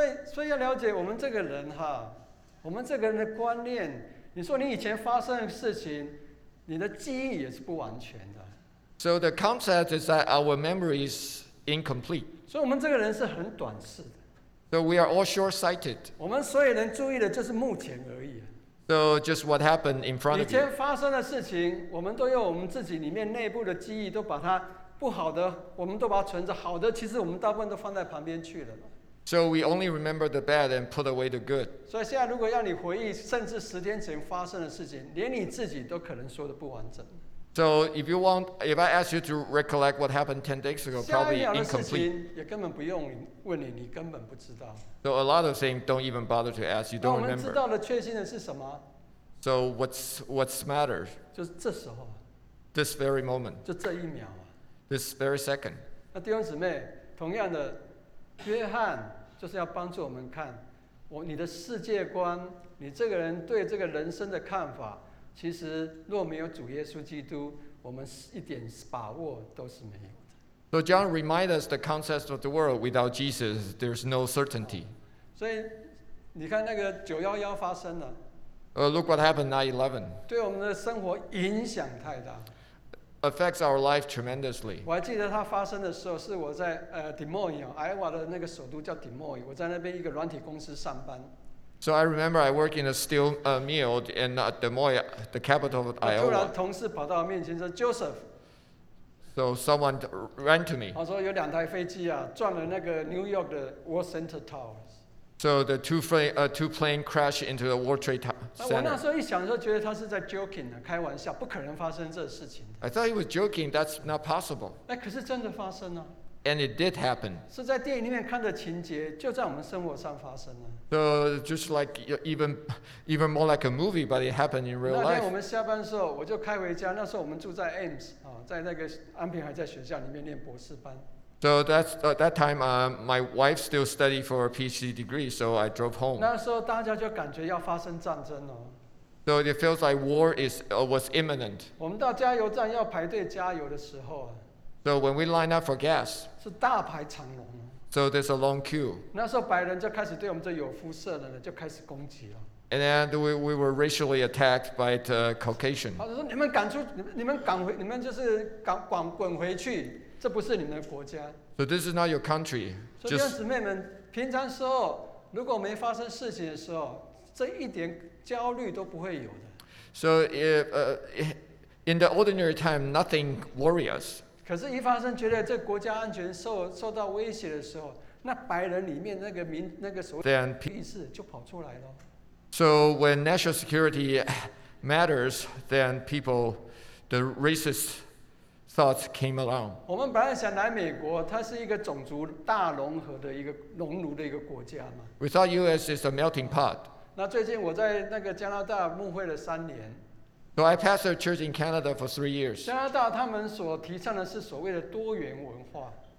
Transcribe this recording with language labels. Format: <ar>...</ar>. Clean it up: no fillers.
<zh>所以要了解我们这个人哈，我们这个人的观念，你说你以前发生的事情，你的记忆也是不完全的。</zh> <en>So the concept is that our memory is incomplete。</en> <zh>所以我们这个人是很短视的。</zh> <en>So we are all short-sighted。</en> <zh>我们所有人注意的就是目前而已。</zh> <en>So just what happened in front of you。</en> <zh>以前发生的事情，我们都用我们自己里面内部的记忆都把它。不好的，我们都把它存着；好的，其实我们大部分都放在旁边去了。</zh> <en>So we only remember the bad and put away the good.</en> <zh>所以现在，如果要你回忆，甚至十天前发生的事情，连你自己都可能说的不完整。</zh> <en>So if I ask you to recollect what happened 10 days ago, probably incomplete.</en> <zh>下一秒的事情也根本不用问你，你根本不知道。</zh> <en>So a lot of things don't even bother to ask. You don't remember.</en> <zh>那我们知道的确信的是什么</zh> <en>？So what's matter?</en> <zh>就是这时候。</zh> <en>This very moment.</en> <zh>就这一秒。</zh> <en>This very second.</en> <zh>那弟兄姊妹，同样的，约翰就是要帮助我们看，你的世界观，你这个人对这个人生的看法，其实若没有主耶稣基督，我们一点把握都是没有的。</zh> <en>So John reminds us the concept of the world without Jesus, there's no certainty.</en> <zh>所以你看那个911发生了。</zh> <en>Look what happened 9/11.</en> <zh>对我们的生活影响太大。</zh> <en>Affects our life tremendously.</en> <zh>我还记得它发生的时候，是我在Des Moines, Iowa 的那个首都叫 Des Moines, 我在那边一个软体公司上班。</zh> <en>So I remember I work in a steel mill in Des Moines, the capital of Iowa.</en> <zh>突然同事跑到我面前说 ，Joseph。</zh> <en>So someone ran to me.</en> <zh>他说有两台飞机啊，撞了那个 New York 的 World Center Towers.</zh> <en>So the two plane crash into the World Trade Center.</en> <zh>我那时候一想说，觉得他是在 joking 呢，开玩笑，不可能发生这事情。</zh> <en>I thought he was joking. That's not possible.</en> <zh>哎，可是真的发生了。</zh> <en>And it did happen.</en> <zh>是在电影里面看的情节，就在我们生活上发生了。</zh> <en>So just like even more like a movie, but it happened in real life.</en> <zh>那天我们下班的时候，我就开回家。那时候我们住在 Ames 在那个安平还在学校里面念博士班。</zh> <en>So that's, at that time, my wife still studied for a PhD degree, so I drove home.</en> <zh>那时候大家就感觉要发生战争哦。</zh> <en>So it feels like war is, was imminent.</en> <zh>我们到加油站要排队加油的时候啊。</zh> <en>So when we line up for gas,</en> <zh>是大排长龙。</zh> <en>So there's a long queue.</en> <zh>那时候白人就开始对我们这有肤色的人就开始攻击了。</zh> <en>And then we were racially attacked by the Caucasian.</en> <zh>他说：“你们赶出，你们赶回，你们就是赶滚滚回去，这不是你们的国家。”</zh> <en>So this is not your country.</en> <zh>所以弟兄姊妹们，平常时候如果没发生事情的时候，这一点焦虑都不会有的。</zh> <en>So if in the ordinary time, nothing worries us.</en> <zh>可是，一发生觉得这国家安全受到威胁的时候，那白人里面那个民那个所谓的意识就跑出来了。</zh> <en>So when national security matters, then people, the racist thoughts came along.</en> <zh>我们本来想来美国，它是一个种族大融合的一个熔炉的一个国家嘛。</zh> <en>We thought U.S. is a melting pot.</en> <zh>那最近我在那个加拿大牧会了三年。</zh> <en>So I pastored a church in Canada for 3 years.</en> <zh>加拿大他们所提倡的是所谓的多元文化。</zh>